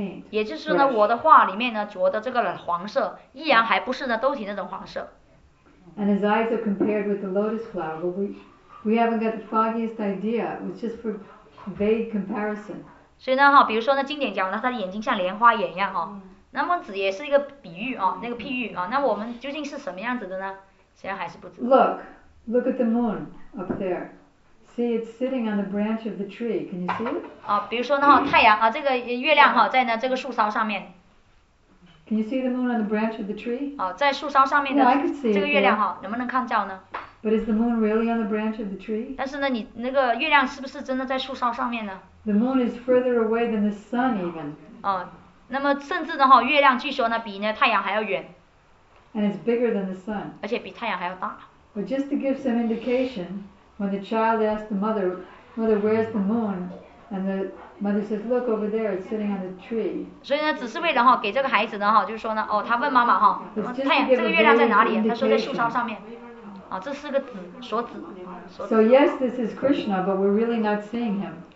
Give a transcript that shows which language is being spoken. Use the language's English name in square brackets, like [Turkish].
[Chinese] 也就是呢，我的画里面呢着的这个黄色，依然还不是呢兜体那种黄色。 [English] And his eyes are compared with the lotus flower, but we haven't got the foggiest idea. It's just for vague comparison. [Chinese] 所以呢哈，比如说呢，经典讲呢，他的眼睛像莲花眼一样哈，那么只也是一个比喻啊，那个譬喻啊，那我们究竟是什么样子的呢？实际上还是不知道。 [English] Look at the moon up there. See, it's sitting on the branch of the tree. Can you see it? [Chinese] 啊，比如说呢哈，太阳啊，这个月亮哈，在呢这个树梢上面。 [English] Can you see the moon on the branch of the tree? [Chinese] 啊，在树梢上面的 [English] yeah, I could see [Chinese] 这个月亮哈，能不能看到呢 [English] ？But is the moon really on the branch of the tree? [Chinese] 但是呢，你那个月亮是不是真的在树梢上面呢 [English] ？The moon is further away than the sun even. [Chinese] 啊，那么甚至呢哈，月亮据说呢比呢太阳还要远。 [English] And it's bigger than the sun. [Chinese] 而且比太阳还要大。 [English] But just to give some indication, when the child asked the mother, "Mother, where's the moon?" and the Mother says, look over there, it's sitting on the tree. [Chinese] 所以呢，只是为了哈，给这个孩子呢哈，就是说呢，哦，他问妈妈哈，太阳这个月亮在哪里？他说在树梢上面。啊，这是个指，所指。 [English] So yes, this is Krishna, but we're really not seeing him.